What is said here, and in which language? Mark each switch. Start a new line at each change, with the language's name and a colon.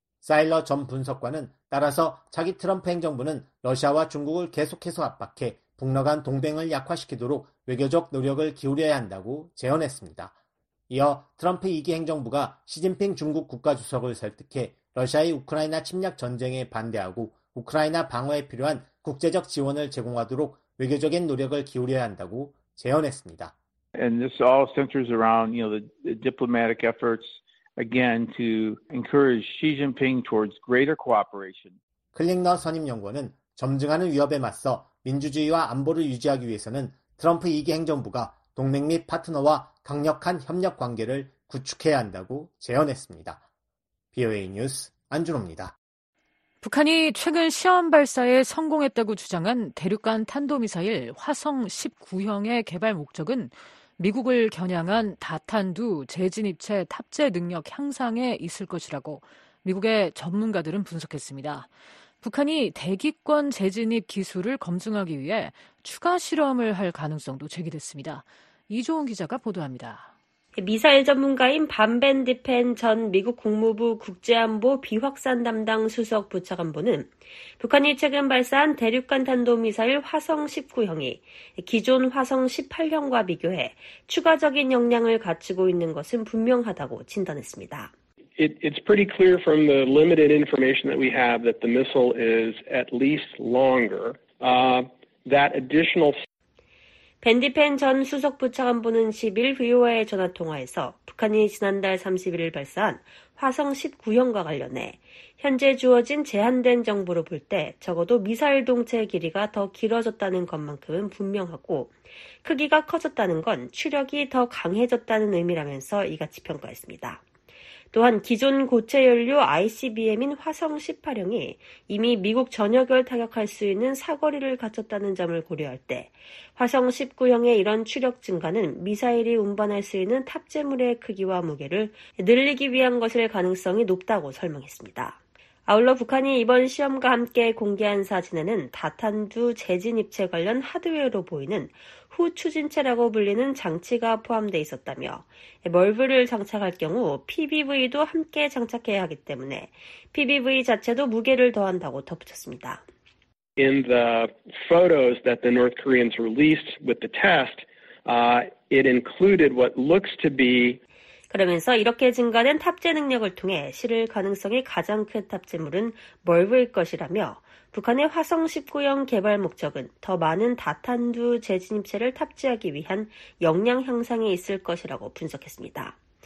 Korean: 사일러 전 분석관은 따라서 차기 트럼프 행정부는 러시아와 중국을 계속해서 압박해 북러 간 동맹을 약화시키도록 외교적 노력을 기울여야 한다고 제언했습니다. 이어 트럼프 2기 행정부가 시진핑 중국 국가주석을 설득해 러시아의 우크라이나 침략 전쟁에 반대하고 우크라이나 방어에 필요한 국제적 지원을 제공하도록 외교적인 노력을 기울여야 한다고 제언했습니다.
English: And this all centers around, you know, the diplomatic efforts again to encourage Xi Jinping towards greater cooperation.
Korean: 클링너 선임 연구원은 점증하는 위협에 맞서 민주주의와 안보를 유지하기 위해서는 트럼프 2기 행정부가 동맹 및 파트너와 강력한 협력 관계를 구축해야 한다고 제언했습니다. BOA 뉴스 안준호입니다. 북한이 최근 시험 발사에 성공했다고 주장한 대륙간 탄도미사일 화성 19형의 개발 목적은 미국을 겨냥한 다탄두 재진입체 탑재 능력 향상에 있을 것이라고 미국의 전문가들은 분석했습니다. 북한이 대기권 재진입 기술을 검증하기 위해 추가 실험을 할 가능성도 제기됐습니다. 이종훈 기자가 보도합니다. 미사일 전문가인 밤 벤디펜 전 미국 국무부 국제안보 비확산 담당 수석 부차관보는 북한이 최근 발사한 대륙간 탄도미사일 화성 19형이 기존 화성 18형과 비교해 추가적인 역량을 갖추고 있는 것은 분명하다고 진단했습니다.
English: It's pretty clear from the limited information that we have that the missile is at least longer. That additional
Korean: 벤디펜 전 수석 부차관보는 10일 VOA 전화 통화에서 북한이 지난달 30일 발사한 화성 19형과 관련해 현재 주어진 제한된 정보로 볼 때 적어도 미사일 동체의 길이가 더 길어졌다는 것만큼은 분명하고 크기가 커졌다는 건 추력이 더 강해졌다는 의미라면서 이같이 평가했습니다. 또한 기존 고체 연료 ICBM인 화성 18형이 이미 미국 전역을 타격할 수 있는 사거리를 갖췄다는 점을 고려할 때 화성 19형의 이런 추력 증가는 미사일이 운반할 수 있는 탑재물의 크기와 무게를 늘리기 위한 것일 가능성이 높다고 설명했습니다. 아울러 북한이 이번 시험과 함께 공개한 사진에는 다탄두 재진입체 관련 하드웨어로 보이는 후추진체라고 불리는 장치가 포함되어 있었다며 멀브를 장착할 경우 PBV도 함께 장착해야 하기 때문에 PBV 자체도 무게를 더한다고 덧붙였습니다.
English: In the photos that the North Koreans released with the test, it included what looks to be
Korean: 그러면서 이렇게 증가된 탑재 능력을 통해 실을 가능성이 가장 큰 탑재물은 멀브일 것이라며 북한의 화성 19형 개발 목적은 더 많은 다탄두 재진입체를 탑재하기 위한 역량 향상에 있을 것이라고 분석했습니다.